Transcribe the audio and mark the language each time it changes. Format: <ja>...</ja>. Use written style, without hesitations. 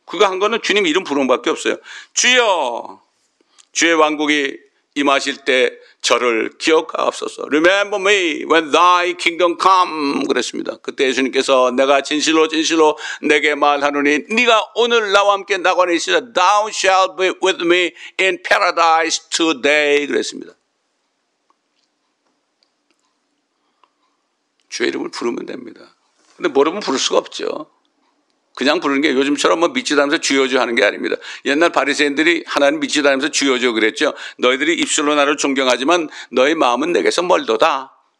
<ko>그거 한 거는 주님 이름 부르는 밖에 없어요. 주여, 주의 왕국이 임하실 때 저를 기억하옵소서.</ko> <en>Remember me when thy kingdom come.</en> <ko>그랬습니다. 그때 예수님께서 내가 진실로 진실로 내게 말하노니 네가 오늘 나와 함께 나관에 있으라.</ko> <en>Thou shalt be with me in paradise today.</en> <ko>그랬습니다. 주의 이름을 부르면 됩니다. 근데 모르면 부를 수가 없죠. 그냥 부르는 게 요즘처럼 뭐 믿지다면서 주여주 하는 게 아닙니다. 옛날 바리새인들이 하나님 믿지다면서 주여주 그랬죠. 너희들이 입술로 나를 존경하지만 너희 마음은 내게서 멀도다.</ko>